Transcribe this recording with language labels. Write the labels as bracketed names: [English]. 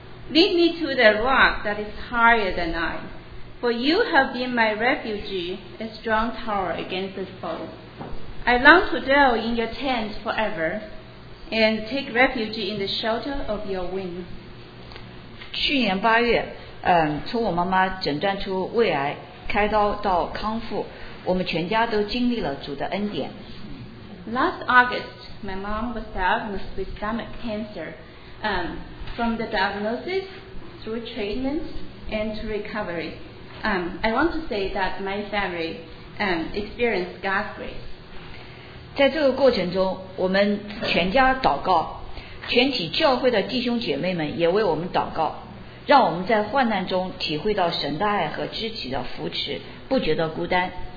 [English] Lead me to the rock that is higher than I. For you have been my refuge, a strong tower against the foe. I long to dwell in your tent forever and take refuge in the shelter of your wing. [Chinese] 去年八月，从我妈妈诊断出胃癌，开刀到康复，我们全家都经历了主的恩典。 [English] Last August, my mom was diagnosed with stomach cancer. From the diagnosis through treatment and to recovery. I want to say that my family experienced God's grace. [Chinese] 在这个过程中，我们全家祷告，全体教会的弟兄姐妹们也为我们祷告，让我们在患难中体会到神的爱和肢体的扶持，不觉得孤单。